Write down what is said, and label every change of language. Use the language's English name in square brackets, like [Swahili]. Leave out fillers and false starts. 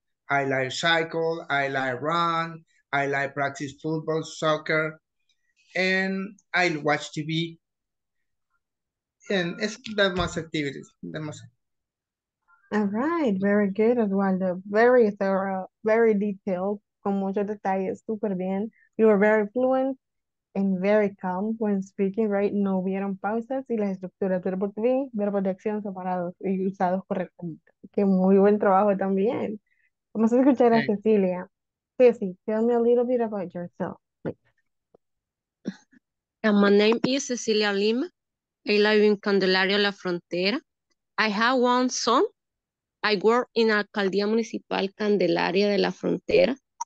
[English] I like cycle, I like run, I like practice football, soccer, and I watch TV. All right, very good, Eduardo. Very thorough, very detailed, [Spanish] con muchos detalles, super bien. [English] You were very fluent and very calm when speaking, right? [Spanish] No hubieron pausas y las estructuras verbo to be, verbo de acción separados y usados correctamente. Que muy buen trabajo también. Vamos a escuchar a Cecilia. [English] Ceci, tell me a little bit about yourself, please. My name is Cecilia Lim. I live in Candelaria La Frontera. I have one son. I work in Alcaldía Municipal Candelaria de la Frontera.